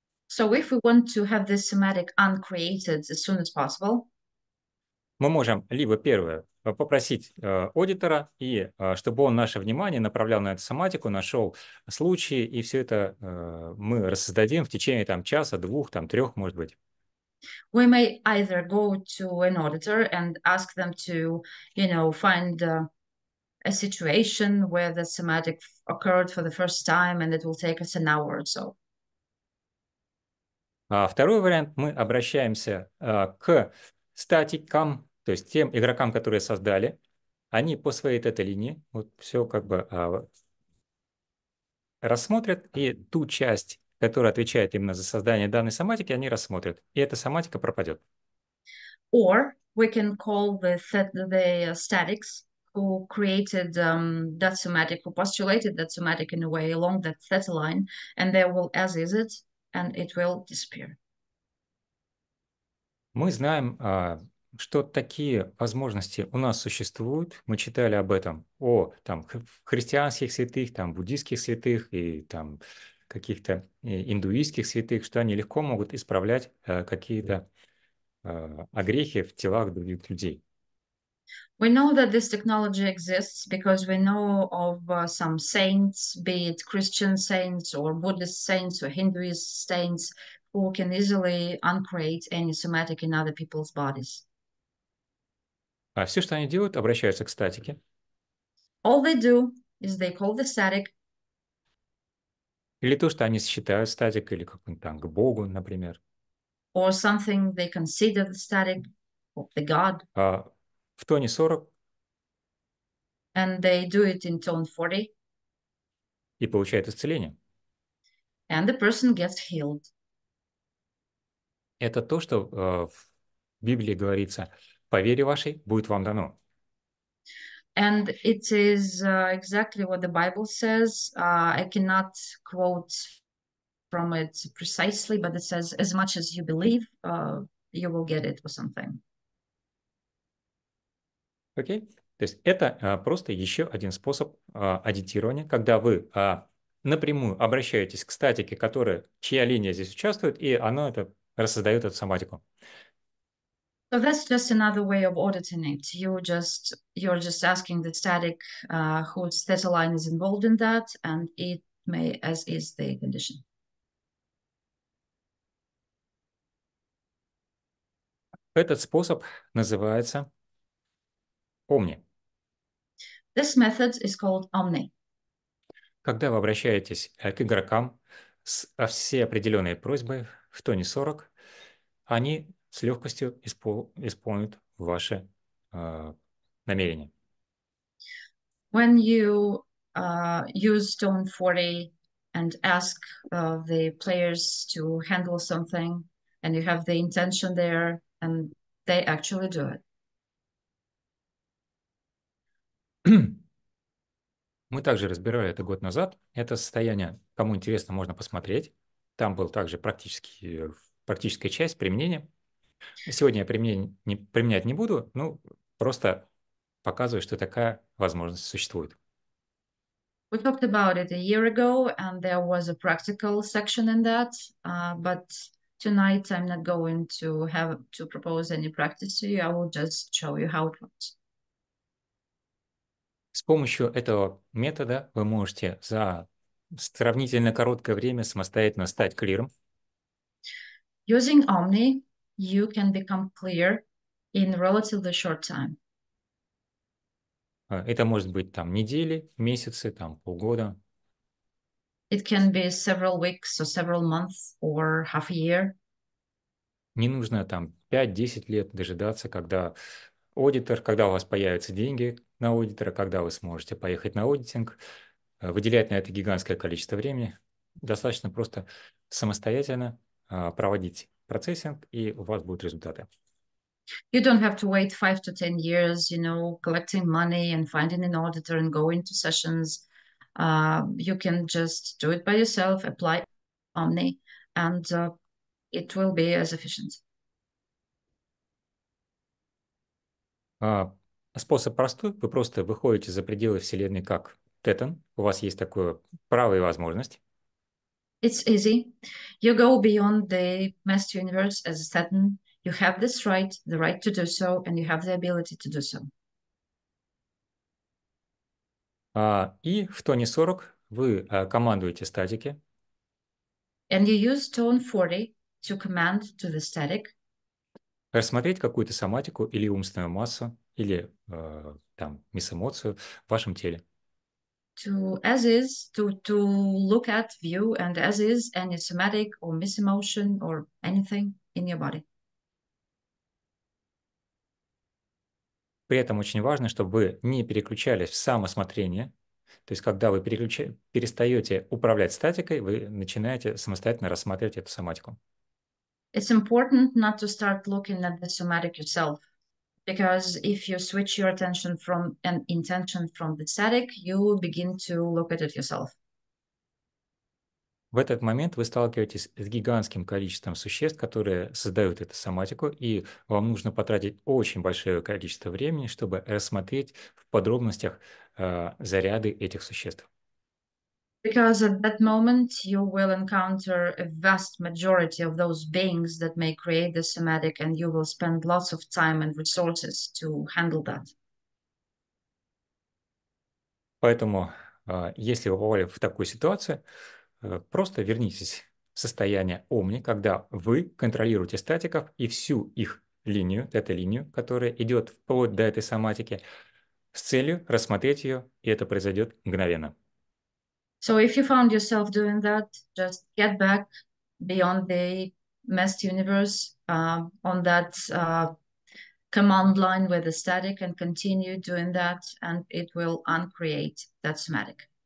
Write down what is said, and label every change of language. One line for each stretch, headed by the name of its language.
English: so if we want to have this somatic uncreated as soon as possible,
Russian: мы можем либо первое попросить аудитора, и чтобы он наше внимание направлял на эту соматику, нашел случаи, и все это мы рассоздадим в течение там часа, двух, там трех, может быть.
English: We may either go to an auditor and ask them to, you know, find a situation where the somatic occurred for the first time, and it will take us an hour or so.
Russian: А второй вариант, мы обращаемся к статикам, то есть тем игрокам, которые создали. Они по своей тета-линии вот все как бы рассмотрят, и ту часть, которая отвечает именно за создание данной соматики, они рассмотрят, и эта соматика пропадет.
English: Or we can call the statics who created that somatic, who postulated that somatic in a way along that theta line, and they will as is it, and it will disappear.
Russian: Мы знаем, что такие возможности у нас существуют. Мы читали об этом, о там христианских святых, там буддийских святых и там каких-то индуистских святых, что они легко могут исправлять какие-то огрехи в телах других людей.
English: We know that this technology exists because we know of some saints, be it Christian saints or Buddhist saints or Hinduist saints, who can easily uncreate any somatic in other people's bodies.
Russian: А все, что они делают, обращаются к статике.
English: All they do is they call the static.
Russian: Или то, что они считают статик, или как-нибудь там к Богу, например.
English: Or something they consider the static, or the God.
Russian: В тоне 40.
English: And they do it in tone 40.
Russian: И получают исцеление.
English: And the person gets healed.
Russian: Это то, что в Библии говорится: по вере вашей будет вам дано.
English: And it is exactly what the Bible says. I cannot quote from it precisely, but it says, as much as you believe, you will get it or something.
Russian: Окей. То есть это просто еще один способ аддитирования, когда вы напрямую обращаетесь к статике, которая, чья линия здесь участвует, и она это рассоздает эту соматику.
English: So that's just another way of auditing it. You're just asking the static whose theta line is involved in that, and it may as is the condition.
Russian: Этот способ называется Omni.
English: This method is called Omni.
Russian: Когда вы обращаетесь к игрокам с всей определенной просьбой в тоне 40, они с легкостью исполнят ваши намерения.
English: When you use tone 40 and ask the players to handle something, and you have the intention there, and they actually do it.
Russian: Мы также разбирали это год назад. Это состояние, кому интересно, можно посмотреть. Там был также практическая часть применения. Сегодня я применять не буду, ну, просто показываю, что такая возможность существует.
English: We talked about it a year ago, and there was a practical section in that, but tonight I'm not going to have to propose any practice to you, I will just show you how it works.
Russian: С помощью этого метода вы можете за сравнительно короткое время самостоятельно стать клиром.
English: Using Omni, you can become clear in relatively short time.
Russian: Это может быть там недели, месяцы, там полгода.
English: It can be several weeks or several months or half a year.
Russian: Не нужно там 5-10 лет дожидаться, когда у вас появятся деньги на аудитора, когда вы сможете поехать на аудитинг, выделять на это гигантское количество времени. Достаточно просто самостоятельно проводить процессинг, и у вас будут результаты.
English: You don't have to wait 5 to 10 years, you know, collecting money and finding an auditor and going to sessions. You can just do it by yourself, apply Omni, and it will be as efficient.
Russian: Способ простой. Вы просто выходите за пределы Вселенной как Тетан. У вас есть такое право и возможность.
English: It's easy. You go beyond the master universe as a Saturn. You have this right, the right to do so, and you have the ability to do so.
Russian: И в тоне 40 вы командуете статике.
English: And you use tone 40 to command to the static.
Russian: Рассмотреть какую-то соматику или умственную массу, или там, мисс-эмоцию в вашем теле.
English: To as is, to look at, view, and as is, any somatic or misemotion or anything in your body.
Russian: При этом очень важно, чтобы вы не переключались в самосмотрение. То есть, когда вы перестаете управлять статикой, вы начинаете самостоятельно рассматривать эту соматику.
English: It's important not to start looking at the somatic yourself. Because if you switch your attention from an intention from the static, you will begin to look at it yourself.
Russian: В этот момент вы сталкиваетесь с гигантским количеством существ, которые создают эту соматику, и вам нужно потратить очень большое количество времени, чтобы рассмотреть в подробностях заряды этих существ.
English: Because at that moment you will encounter a vast majority of those beings that may create the somatic, and you will spend lots of time and resources to handle that.
Russian: Поэтому, если вы попали в такую ситуацию, просто вернитесь в состояние омни, когда вы контролируете статиков и всю их линию, эту линию, которая идет вплоть до этой соматики, с целью рассмотреть ее, и это произойдет мгновенно.
English: So if you found yourself doing that, just get back beyond the messed universe on that command line with the static and continue doing that, and it will uncreate that somatic.